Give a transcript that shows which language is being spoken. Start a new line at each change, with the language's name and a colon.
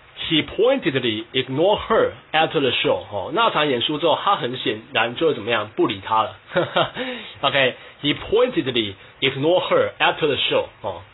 English: He pointedly ignored her at the show、哦。
Chinese: 那场演出之后，他很显然就怎么样，不理他了。
English: OK， he pointedly ignored her at the show、哦。